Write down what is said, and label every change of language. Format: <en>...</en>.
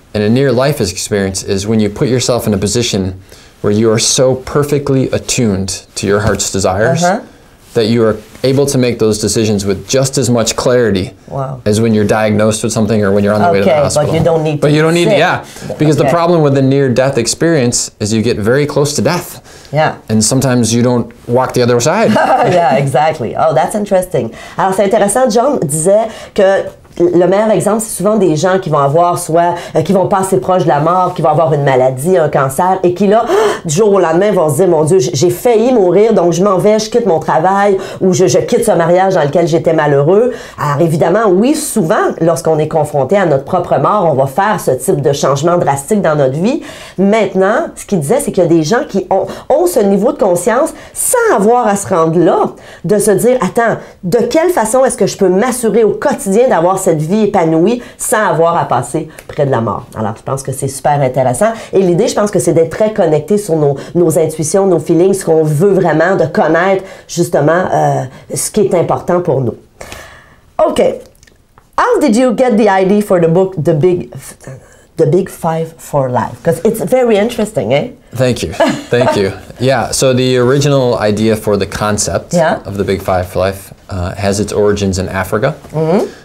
<en>And a near life experience is when you put yourself in a position where you are so perfectly attuned to your heart's desires that you are able to make those decisions with just as much clarity as when you're diagnosed with something or when you're on the way to the hospital. But you don't need to. Because the problem with the near-death experience is you get very close to death. Yeah. And sometimes you don't walk the other side. Yeah, exactly. Oh, that's interesting.</en> <fr>Alors, c'est intéressant. John disait que le meilleur exemple, c'est souvent des gens qui vont avoir soit, qui vont passer proche de la mort, qui vont avoir une maladie, un cancer, et qui là, du jour au lendemain, vont se dire, mon Dieu, j'ai failli mourir, donc je m'en vais, je quitte mon travail, ou je quitte ce mariage dans lequel j'étais malheureux. Alors évidemment, oui, souvent, lorsqu'on est confronté à notre propre mort, on va faire ce type de changement drastique dans notre vie. Maintenant, ce qu'il disait, c'est qu'il y a des gens qui ont ce niveau de conscience sans avoir à se rendre là, de se dire, attends, de quelle façon est-ce que je peux m'assurer au quotidien d'avoir cette vie épanouie sans avoir à passer près de la mort. Alors, je pense que c'est super intéressant. Et l'idée, je pense que c'est d'être très connecté sur nos intuitions, nos feelings, ce qu'on veut vraiment, de connaître justement ce qui est important pour nous. OK.</fr> <en>How did you get the idea for the book The Big Five for Life? Because it's very interesting, eh? Thank you. Yeah, so the original idea for the concept of the Big Five for Life has its origins in Africa. Mm-hmm.</en>